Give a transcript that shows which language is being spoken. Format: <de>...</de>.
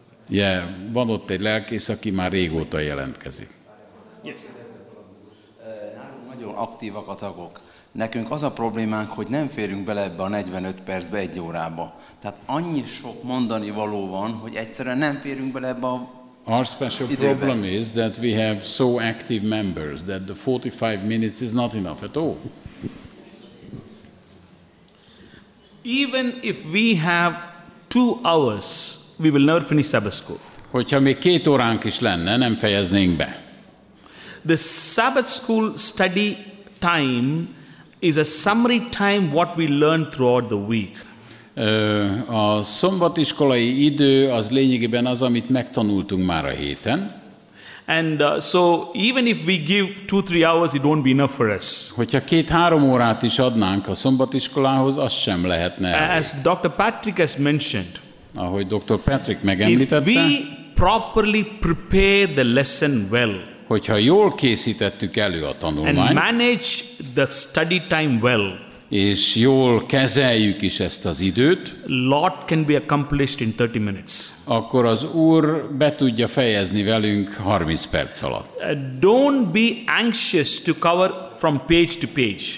<hu>Yeah, van ott egy lelkész, aki már régóta jelentkezik.</hu> <en>Yes.</en> <hu>Nálunk nagyon aktívak a tagok. Nekünk az a problémánk, hogy nem férünk bele ebbe a 45 percbe, egy órába. Tehát annyi sok mondani való van, hogy egyszerűen nem férünk bele ebbe a időbe.</hu> <en>Our special problem is that we have so active members that the 45 minutes is not enough at all. Even if we have 2 hours, we will never finish Sabbath school.</en> <hu>Hogyha még két óránk is lenne, nem fejeznénk be.</hu> <en>The Sabbath school study time is a summary time what we learn throughout the week.</en> <hu>A szombatiskolai idő az lényegében az, amit megtanultunk már a héten.</hu> <en>And so even if we give 2-3 hours, it won't be enough for us.</en> <hu>Hogyha 2-3 órát is adnánk a szombatiskolához, az sem lehetne.</hu> <en>As Dr. Patrick has mentioned,</en> <hu>ahogy Dr. Patrick megemlítette,</hu> <en>if we properly prepare the lesson well,</en> <hu>hogyha jól készítettük elő a tanulmányt,</hu> <en>and manage the study time well,</en> <hu>és jól kezeljük is ezt az időt,</hu> <en>lot can be accomplished in 30 minutes.</en> <hu>Akkor az Úr be tudja fejezni velünk 30 perc alatt.</hu> <en>Don't be anxious to cover from page to page.</en>